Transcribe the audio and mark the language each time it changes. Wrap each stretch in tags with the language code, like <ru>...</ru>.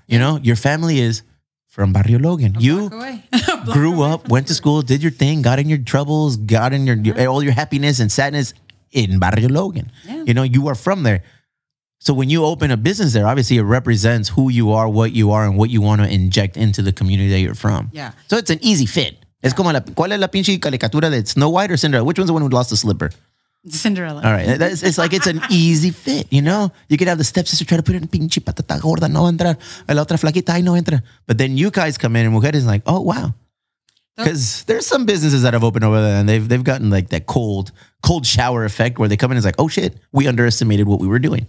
<en>You know, your family is from Barrio Logan. You grew up, went to school, did your thing, got in your troubles, got in all your happiness and sadness in Barrio Logan. Yeah. You know, you are from there. So when you open a business there, obviously it represents who you are, what you are, and what you want to inject into the community that you're from. Yeah. So it's an easy fit. Yeah.</en> <es>Es como ¿cuál es la pinche caricatura de Snow White or Cinderella?</es> <en>Which one's the one who lost the slipper? Cinderella. All right. It's like it's an easy fit, you know? You could have the stepsister try to put in</en> <es>pinche patata gorda, no entra. La otra flaquita, ahí no entra.</es> <en>But then you guys come in and Mujeres is like, oh, wow. Because there's some businesses that have opened over there and they've gotten like that cold shower effect where they come in and it's like, oh shit, we underestimated what we were doing.</en>